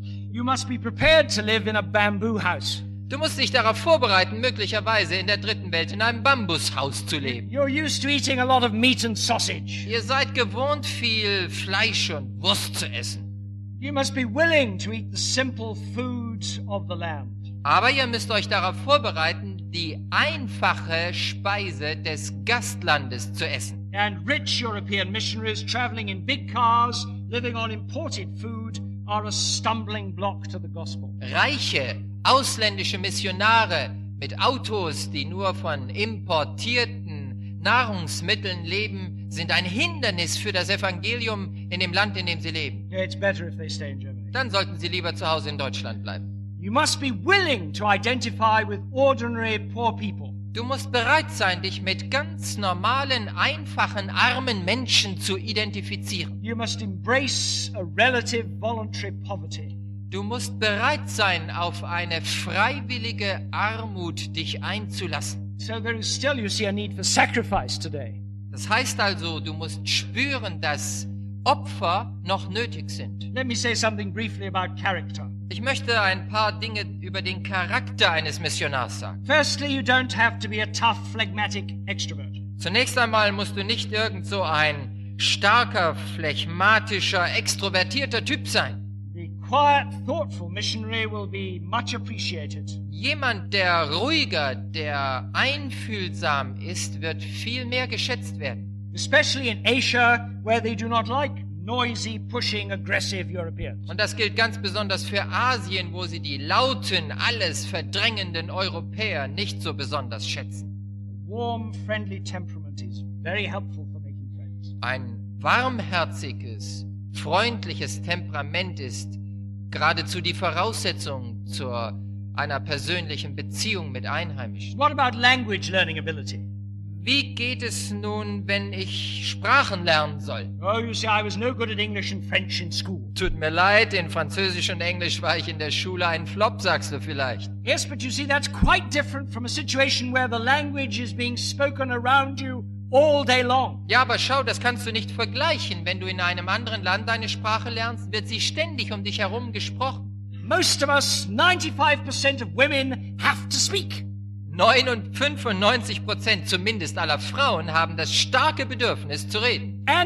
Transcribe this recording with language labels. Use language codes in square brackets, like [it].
[en] You must be prepared to live in a bamboo house. [de] Du musst dich darauf vorbereiten, möglicherweise in der dritten Welt in einem Bambushaus zu leben. [en] You're used to eating a lot of meat and sausage. [de] Ihr seid gewohnt, viel Fleisch und Wurst zu essen. [en] You must be willing to eat the simple food of the land. [de] Aber ihr müsst euch darauf vorbereiten, die einfache Speise des Gastlandes zu essen. [en] And rich European missionaries traveling in big cars, living on imported food, are a stumbling block to the gospel. [de] Reiche ausländische Missionare mit Autos, die nur von importierten Nahrungsmitteln leben, sind ein Hindernis für das Evangelium in dem Land, in dem sie leben. [en] It's better if they stay in Germany. [de] Dann sollten sie lieber zu Hause in Deutschland bleiben. [en] You must be willing to identify with ordinary poor people. [de] Du musst bereit sein, dich mit ganz normalen, einfachen, armen Menschen zu identifizieren. [en] You must embrace a relative voluntary poverty. [de] Du musst bereit sein, auf eine freiwillige Armut dich einzulassen. [en] So there is still, you see, a need for sacrifice today. [de] Das heißt also, du musst spüren, dass Opfer noch nötig sind. [en] Let me say something briefly about character. [de] Ich möchte ein paar Dinge über den Charakter eines Missionars sagen. [en] Firstly, you don't have to be a tough, phlegmatic extrovert. [de] Zunächst einmal musst du nicht irgend so ein starker, phlegmatischer, extrovertierter Typ sein. [en] Quiet, thoughtful missionary will be much appreciated. [de] Jemand, der ruhiger, der einfühlsam ist, wird viel mehr geschätzt werden. [en] Especially in Asia, where they do not like noisy, pushing, aggressive Europeans. [de] Und das gilt ganz besonders für Asien, wo sie die lauten, alles verdrängenden Europäer nicht so besonders schätzen. [en] Warm, friendly temperament is very helpful for making friends. [de] Ein warmherziges, freundliches Temperament ist geradezu die Voraussetzung zur einer persönlichen Beziehung mit Einheimischen. [en] What about language learning ability? [de] Wie geht es nun, wenn ich Sprachen lernen soll? [en] Oh, you see, I was no good at English and French in school. [de] Tut mir leid, in Französisch und Englisch war ich in der Schule ein Flop, sagst du vielleicht. [en] Yes, but you see, that's quite different from a situation where the language is being spoken around you all day long. [de] Ja, aber schau, das kannst du nicht vergleichen. Wenn du in einem anderen Land eine Sprache lernst, wird sie ständig um dich herum gesprochen. [en] Most of us, 95% of women have to speak. [de] 95% zumindest aller Frauen haben das starke Bedürfnis zu reden.